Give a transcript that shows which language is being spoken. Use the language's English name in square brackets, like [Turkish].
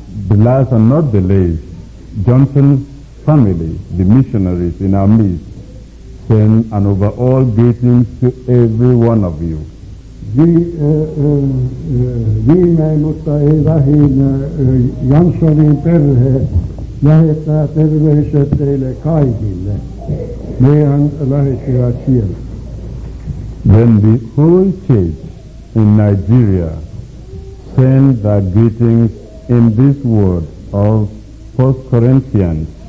[English] the last and not the least, Johnson's family, the missionaries in our midst, send and over all greetings to every one of you. [Finnish] Viime, mutta ei vähin, Janssonin perhe lähettää terveiset teille kaikille. Meidän lähettivät siellä. [English] Then the whole church in Nigeria send their greetings in this word of 1 Corinthians.